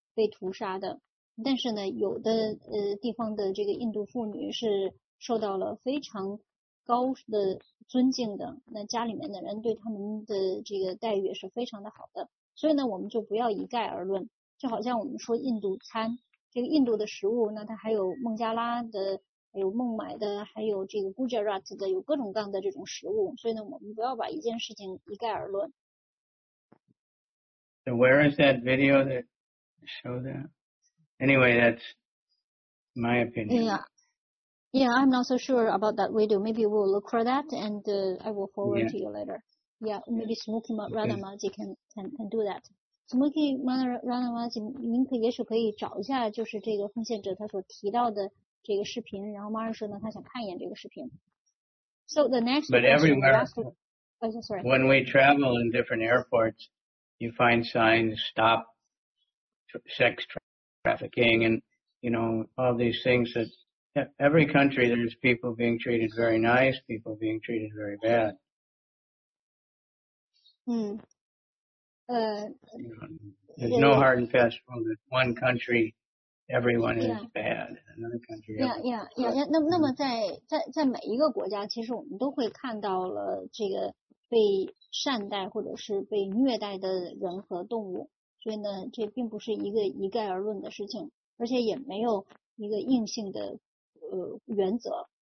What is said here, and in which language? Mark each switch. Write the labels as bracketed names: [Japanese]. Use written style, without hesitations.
[Chinese] 被屠杀的，但是呢，有的地方的这个印度妇女是受到了非常高的尊敬的，那家里面的人对他们的这个待遇也是非常的好的，所以呢，我们就不要一概而论。就好像我们说印度餐，这个印度的食物，那它还有孟加拉的，还有孟买的，还有这个 Gujarat 的，有各种各样的这种食物，所以呢，我们不要把一件事情一概而论。 [English] Where is that video that? Show that. Anyway, that's my opinion. Yeah, I'm not so sure about that video. Maybe we'll look for that, and I will forward to you later. Yeah, maybe Smoky Ranamaji can do that. [Chinese] Smoky Ranamaji, 您可也许可以找一下，就是这个奉献者他所提到的这个视频。然后马尔说呢，他想看一眼这个视频。 [English] So the next. But everywhere. Sorry. When we travel in different airports, you find signs stop. Sex trafficking and, you know, all these things that every country there's people being treated very nice, people being treated very bad. There's no hard and fast rule that one country, everyone is bad. Another country. Yeah. [Chinese] 那么在每一个国家，其实我们都会看到了这个被善待或者是被虐待的人和动物。所以呢，这并不是一个一概而论的事情，而且也没有一个硬性的原则。